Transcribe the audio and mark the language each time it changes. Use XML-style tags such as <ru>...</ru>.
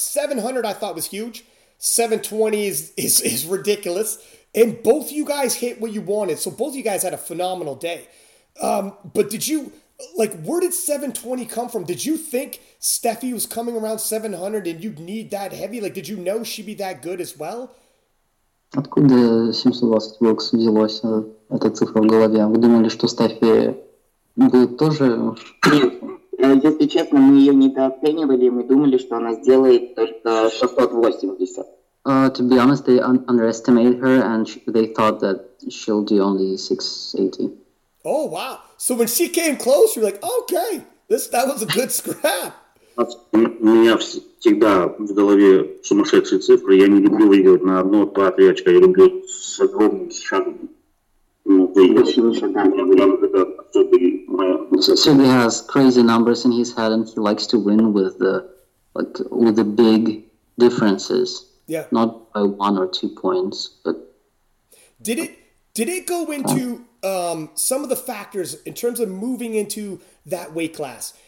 <en>700 I thought was huge. 720 is ridiculous. And both you guys hit what you wanted. So both you guys had a phenomenal day. But did you, like, where did 720 come from? Did you think Steffi was coming around 700 and you'd need that heavy? Like, did you know she'd be that good as well?</en> <ru>Откуда 720 Wilks взялось, эта цифра в голове? Вы думали, что Стаффи будет тоже? Нет, если честно, мы ее недооценивали, мы думали, что она сделает только 680.</ru> <en>To be honest, they underestimated her, and they thought that she'll do only 680. Oh, wow. So when she came close, you're like, okay, that was a good scrap.</en> <ru>У меня всегда в голове сумасшедшие цифры. Я не люблю выигрывать на одно, два, три очка. Я люблю с огромным шагом выигрывать.</ru> <en>So he has crazy numbers in his head, and he likes to win with the big differences. Yeah. Not by one or two points, but did it go into some of the factors in terms of moving into that weight class?</en>